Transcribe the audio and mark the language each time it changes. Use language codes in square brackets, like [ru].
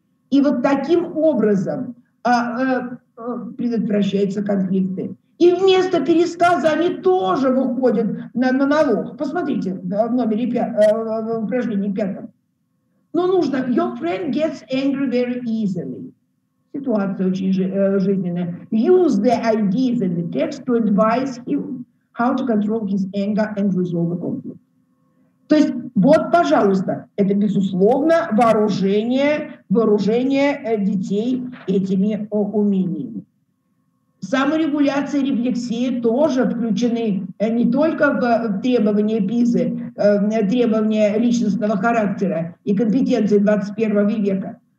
[ru] И вот таким образом предотвращаются конфликты. И вместо пересказа они тоже выходят на монолог. Посмотрите в номере в упражнении пятом. Но нужно [en] «Your friend gets angry very easily». [ru] Ситуация очень жизненная. [en] «Use the ideas in the text to advise him how to control his anger and resolve a conflict». [ru] То есть вот, пожалуйста, это, безусловно, вооружение детей этими умениями. Саморегуляция и рефлексия тоже включены не только в требования ПИЗы, требования личностного характера и компетенции 21 века.